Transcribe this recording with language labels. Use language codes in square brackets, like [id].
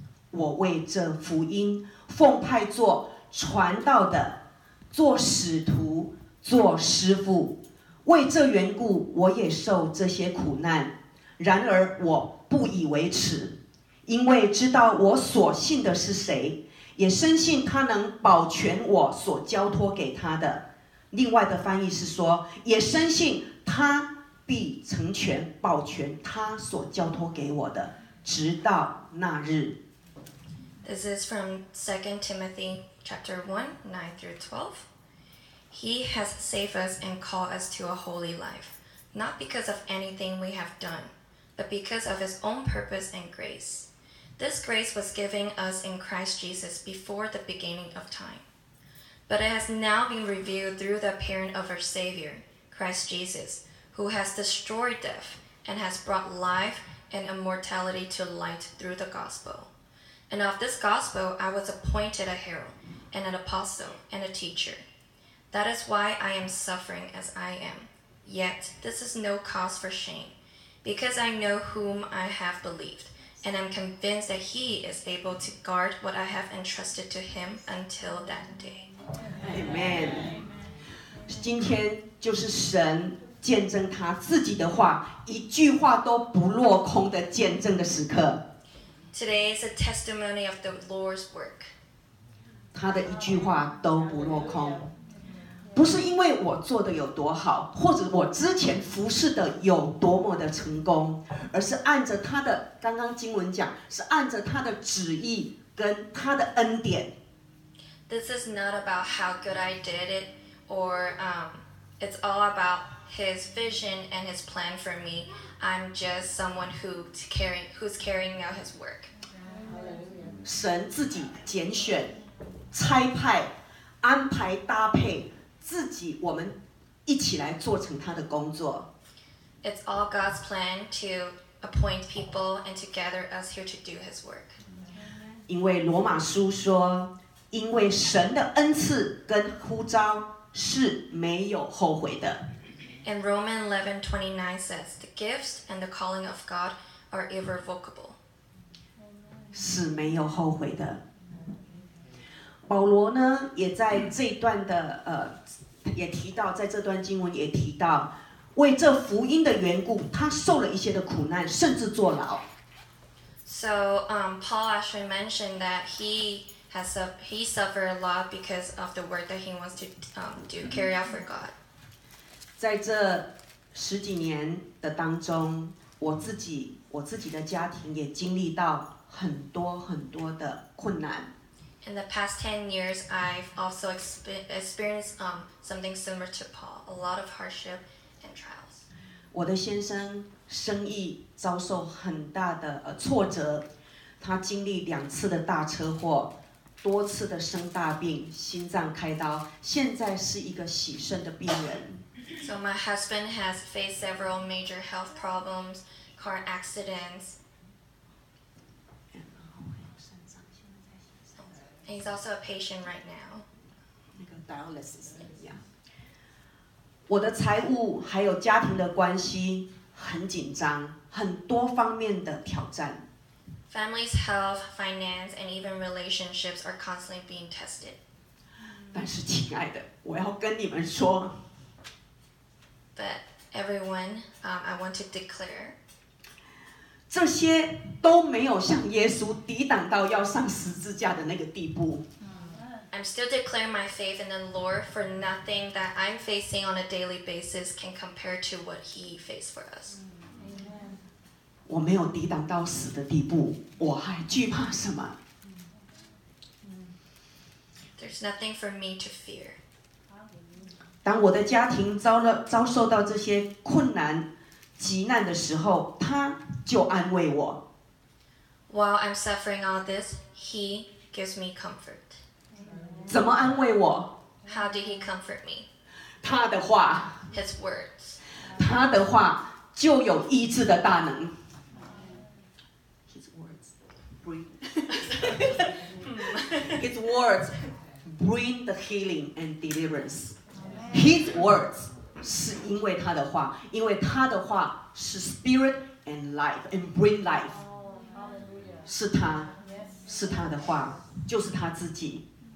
[zh] 我为这福音奉派做传道的，做使徒，做师父，为这缘故我也受这些苦难，然而我不以为耻，因为知道我所信的是谁，也深信他能保全我所交托给他的。另外的翻译是说，也深信他必成全保全他所交托给我的，直到那日。 [en] This is from 2 Timothy chapter 1, 9 through 12. He has saved us and called us to a holy life, not because of anything we have done, but because of his own purpose and grace. This grace was given us in Christ Jesus before the beginning of time. But it has now been revealed through the appearing of our Savior, Christ Jesus, who has destroyed death and has brought life and immortality to light through the gospel. And of this gospel, I was appointed a herald and an apostle and a teacher. That is why I am suffering as I am. Yet this is no cause for shame, because I know whom I have believed, and am convinced that he is able to guard what I have entrusted to him until that day. Amen. [zh] 今天就是神见证他自己的话，一句话都不落空的见证的时刻。 [en] Today is a testimony of the Lord's work. [zh] 他的一句话都不落空，不是因为我做的有多好，或者我之前服事的有多么的成功，而是按着他的，刚刚经文讲，是按着他的旨意跟他的恩典。 [en] This is not about how good I did it, or it's all about His vision and His plan for me. I'm just someone who's carrying out His work. [zh] 神自己拣选、差派、安排、搭配，自己我们一起来做成他的工作。 [en] It's all God's plan to appoint people and to gather us here to do His work. [zh] 因为罗马书说，因为神的恩赐跟呼召是没有后悔的。 [en] And Romans 11:29 says, "The gifts and the calling of God are irrevocable." [zh] 是没有后悔的。保罗呢，也在这段的也提到，在这段经文也提到，为这福音的缘故，他受了一些的苦难，甚至坐牢。 [en] So, Paul actually mentioned that he suffered a lot because of the work that he wants to do carry out for God. [zh] 在这十几年的当中，我自己的家庭也经历到很多很多的困难。 [en] In the past 10 years, I've also experienced something similar to Paul, a lot of hardship and trials. [zh] 我的先生生意遭受很大的挫折，他经历两次的大车祸，多次的生大病，心脏开刀，现在是一个洗肾的病人。 [en] So my husband has faced several major health problems, car accidents,He's also a patient right now. [zh] 那个 dialysis 我的财务还有家庭的关系很紧张，很多方面的挑战。 [en] Family's health, finance, and even relationships are constantly being tested. [zh] 但是，亲爱的，我要跟你们说。 [en] But everyone, I want to declare. [zh] 这些都没有像耶稣抵挡到要上十字架的那个地步。 [en] I'm still declaring my faith in the Lord, for nothing that I'm facing on a daily basis can compare to what He faced for us. [zh] 我没有抵挡到死的地步，我还惧怕什么？ [en] There's nothing for me to fear. [zh] 当我的家庭遭受到这些困难极难的时候，他就安慰我。 [en] While I'm suffering all this, he gives me comfort. [zh] 怎么安慰我？ [en] How did he comfort me? [zh] 他的话。 [en] His words. [zh] 他的话就有医治的大能。 [en] His words bring. His words bring the healing and deliverance. His words. [zh] 是因为他的话，因为他的话是 [en] spirit and life and bring life， [zh] 是他，是他的话，就是他自己。